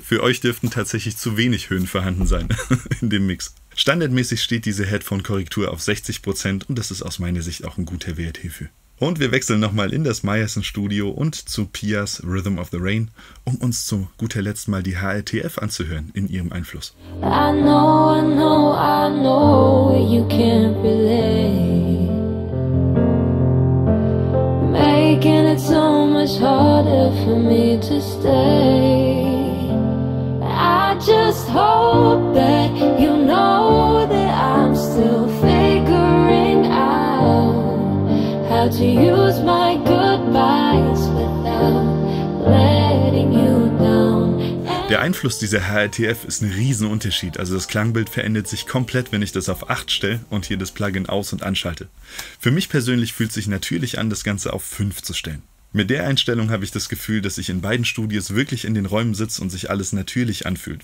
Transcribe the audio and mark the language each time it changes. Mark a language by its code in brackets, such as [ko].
[de] Für euch dürften tatsächlich zu wenig Höhen vorhanden sein in dem Mix. Standardmäßig steht diese Headphone-Korrektur auf 60% und das ist aus meiner Sicht auch ein guter Wert hierfür. Und wir wechseln nochmal in das Meyerson-Studio und zu Pias Rhythm of the Rain, um uns zu guter Letzt mal die HRTF anzuhören in ihrem Einfluss. [en] I know, I know, I know you can't relate. Making it so much harder for me to stay. I just hope that you know that I'm still figuring out how to use my goodbyes without letting you down. [de] Der Einfluss dieser HRTF ist ein Riesenunterschied. Also das Klangbild verändert sich komplett, wenn ich das auf 8 stelle und hier das Plugin aus- und anschalte. Für mich persönlich fühlt sich natürlich an, das Ganze auf 5 zu stellen. Mit der Einstellung habe ich das Gefühl, dass ich in beiden Studios wirklich in den Räumen sitze und sich alles natürlich anfühlt.